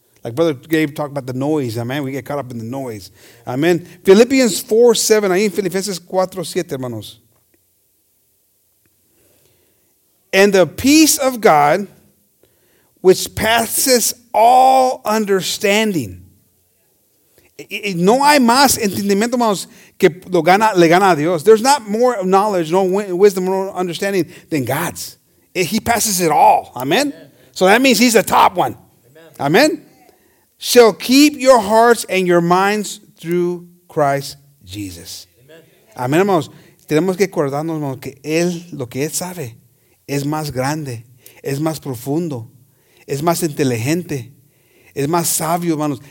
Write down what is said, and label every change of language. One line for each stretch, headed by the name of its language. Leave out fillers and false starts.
English: Like Brother Gabe talked about the noise. Amen. We get caught up in the noise. Amen.
Spanish: Philippians 4:7. Ahí en Filipenses 4:7, hermanos.
English: And the peace of God, which passes all understanding.
Spanish: Y no hay más entendimiento, hermanos, que lo gana, le gana a Dios.
English: There's not more knowledge, no wisdom, no understanding than God's. He passes it all. Amen? So that means he's the top one. Amen? Shall keep your hearts and your minds through Christ Jesus.
Spanish: Amen, hermanos. Tenemos que acordarnos, hermanos, que Él, lo que Él sabe, es más grande, es más profundo, es más inteligente, es más sabio, hermanos.